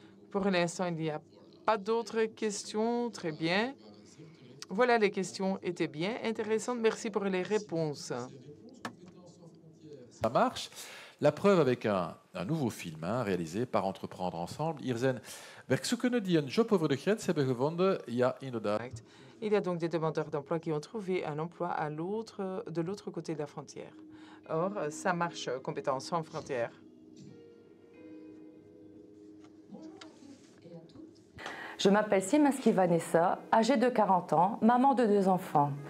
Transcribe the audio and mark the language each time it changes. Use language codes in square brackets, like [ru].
[fr] Pour l'instant, il n'y a pas d'autres questions. Très bien. Voilà, les questions étaient bien intéressantes. Merci pour les réponses. Ça marche. La preuve avec un nouveau film hein, réalisé par Entreprendre Ensemble. [nl] Hier zijn werkzoekenden die een job over de grens hebben gevonden. Ja, inderdaad. [fr] Il y a donc des demandeurs d'emploi qui ont trouvé un emploi à l'autre, de l'autre côté de la frontière. Or, ça marche, compétences sans frontières. Je m'appelle Siemenski Vanessa, âgée de 40 ans, maman de deux enfants.